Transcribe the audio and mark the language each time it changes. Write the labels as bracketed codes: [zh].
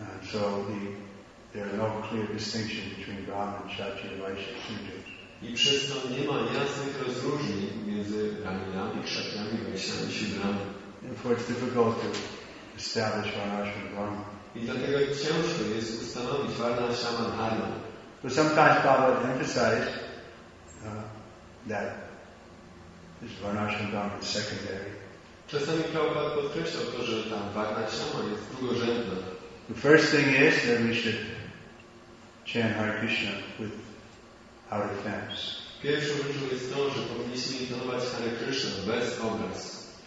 [en] So there are no clear distinction between Brahman, Kshatriya, Vaishya, Shudra. [pl] I przez to nie ma jasnych rozróżnień między Brahminami, Kshatriyami, Vaishyami, Shudrami. [en] Therefore, it's difficult to establish Varnashrama Dharma. [pl] I dlatego ciężko jest ustanowić Varnashrama Dharma. [en] But sometimes Prabhupada emphasized that this Varnashrama Dharma is secondary. [pl] Czasami Prabhupada podkreślał to, że ta Varnashrama jest drugorzędna. [en] The first thing is that we should chant Hare Krishna with our fans. [pl] Pierwszą rzeczą jest to, że powinniśmy intonować Hare Krishna bez obraz.